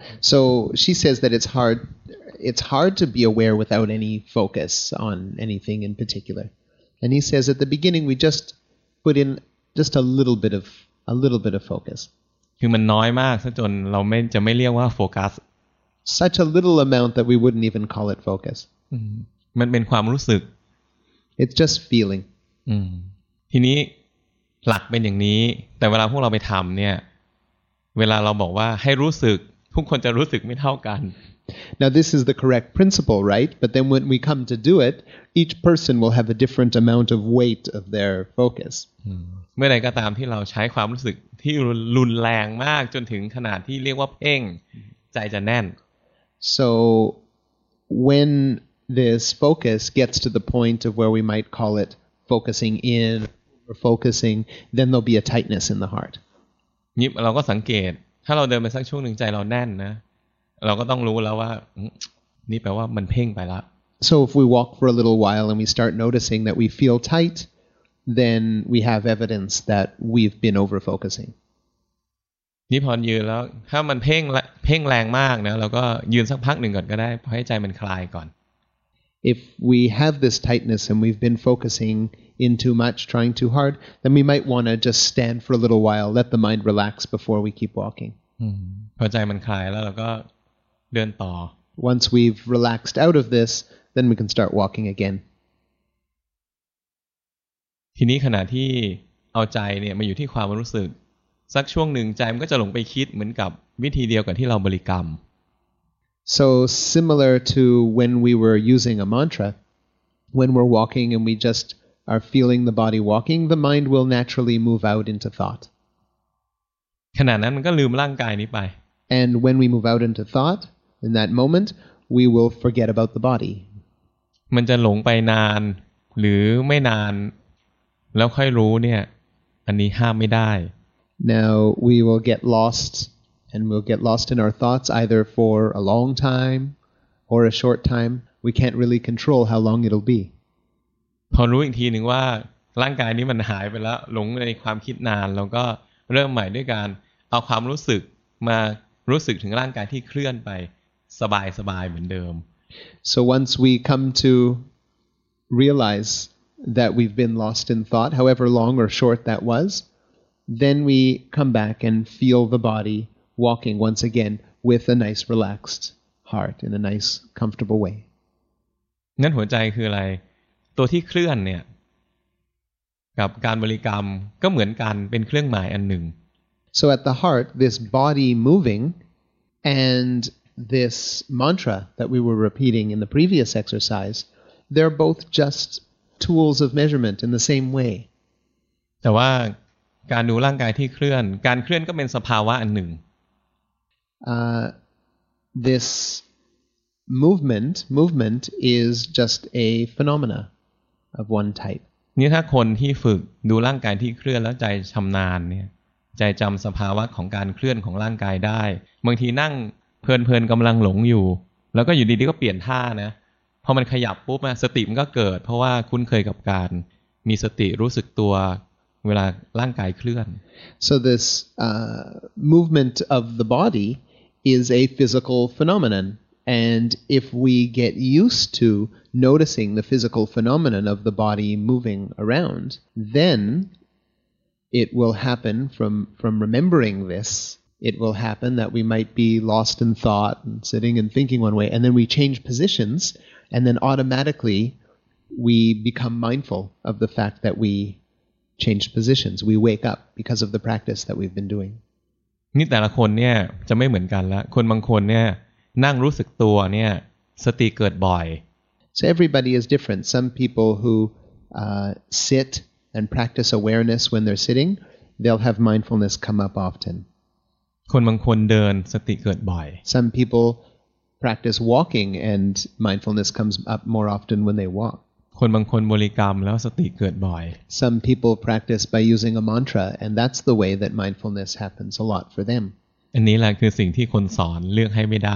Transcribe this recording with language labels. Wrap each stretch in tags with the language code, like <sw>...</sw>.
<en>So she says that it's hard to be aware without any focus on anything in particular. And he says at the beginning we just put in just a little bit of focus.</en> <th>คือมันน้อยมากจนเราไม่จะไม่เรียกว่าโฟกัส</th> <en>Such a little amount that we wouldn't even call it focus.</en> <th>มันเป็นความรู้สึก</th> <en>It's just feeling.</en> <th>ทีนี้หลักเป็นอย่างนี้แต่เวลาพวกเราไปทำเนี่ยเวลาเราบอกว่าให้รู้สึกทุกคนจะรู้สึกไม่เท่ากัน</th> <en>Now this is the correct principle, right? But then when we come to do it, each person will have a different amount of weight of their focus.</en> <th>เมื่อใดก็ตามที่เราใช้ความรู้สึกที่รุนแรงมากจนถึงขนาดที่เรียกว่าเพ่งใจจะแน่น</th> <en>So when this focus gets to the point of where we might call it focusing in or focusing, then there'll be a tightness in the heart.</en> <th>นี่เราก็สังเกตถ้าเราเดินไปสักช่วงหนึ่งใจเราแน่นนะเราก็ต้องรู้แล้วว่านี่แปลว่ามันเพ่งไปแล้ว</th> <en>So if we walk for a little while and we start noticing that we feel tight then we have evidence that we've been over focusing</en> <th>นี่พอยืนแล้วถ้ามันเพ่งแรงมากนะเราก็ยืนสักพักหนึ่งก่อนก็ได้ให้ใจมันคลายก่อน</th> <en>If we have this tightness and we've been focusingin too much, trying too hard, then we might want to just stand for a little while, let the mind relax before we keep walking.</en> <th>พอใจมันคลายแล้วเราก็เดินต่อ</th> <en>Once we've relaxed out of this, then we can start walking again.</en> <th>ทีนี้ขณะที่เอาใจเนี่ยมาอยู่ที่ความรู้สึกสักช่วงหนึ่งใจมันก็จะหลงไปคิดเหมือนกับวิธีเดียวกับที่เราบริกรรม</th> <en>So similar to when we were using a mantra, when we're walking and we justare feeling the body walking, the mind will naturally move out into thought.</en> <th>ขณะนั้นมันก็ลืมร่างกายนี้ไป</th> <en>And when we move out into thought, in that moment, we will forget about the body.</en> <th>มันจะหลงไปนานหรือไม่นานแล้วค่อยรู้เนี่ยอันนี้ห้ามไม่ได้</th> <en>Now we will get lost and we'll get lost in our thoughts either for a long time or a short time. We can't really control how long it'll be.</en> <th>พอรู้อีกทีหนึ่งว่าร่างกายนี้มันหายไปแล้วหลงในความคิดนานแล้วก็เริ่มใหม่ด้วยการเอาความรู้สึกมารู้สึกถึงร่างกายที่เคลื่อนไปสบายสบายเหมือนเดิม</th> <en>So once we come to realize that we've been lost in thought, however long or short that was, then we come back and feel the body walking once again with a nice relaxed heart in a nice comfortable way.</en> <th>นั่นหัวใจคืออะไรตัวที่เคลื่อนเนี่ยกับการบริกรรมก็เหมือนกันเป็นเครื่องหมายอันหนึ่ง</th> <en>So at the heart this body moving and this mantra that we were repeating in the previous exercise they're both just tools of measurement in the same way</en> <th>แต่ว่าการดูร่างกายที่เคลื่อนการเคลื่อนก็เป็นสภาวะอันหนึ่ง</th> <en>thisMovement is just a phenomena of one type.</en> <th>นี่ถ้าคนที่ฝึกดูร่างกายที่เคลื่อนแล้วใจชำนาญเนี่ยใจจำสภาวะของการเคลื่อนของร่างกายได้บางทีนั่งเพลินๆกำลังหลงอยู่แล้วก็อยู่ดีๆก็เปลี่ยนท่านะพอมันขยับปุ๊บสติมันก็เกิดเพราะว่าคุ้นเคยกับการมีสติรู้สึกตัวเวลาร่างกายเคลื่อน</th> <en>So this movement of the body is a physical phenomenonAnd if we get used to noticing the physical phenomenon of the body moving around, then it will happen from remembering this, it will happen that we might be lost in thought and sitting and thinking one way, and then we change positions, and then automatically we become mindful of the fact that we changed positions. We wake up because of the practice that we've been doing.</en> <th>นี่แต่ละคนเนี่ยจะไม่เหมือนกันละคนบางคนเนี่ยนั่งรู้สึกตัวเนี่ยสติเกิดบ่อย</th> <en>So everybody is different. Some people who sit and practice awareness when they're sitting, they'll have mindfulness come up often.</en> <th>คนบางคนเดินสติเกิดบ่อย</th> <en>Some people practice walking and mindfulness comes up more often when they walk. ค</en> <th>คนบางคนบริกรรมแล้วสติเกิดบ่อย</th> <en>Some people practice by using a mantra and that's the way that mindfulness happens a lot for them</en> <th>อันนี้แหละคือสิ่งที่คนสอนเลือกให้ไม่ได</th>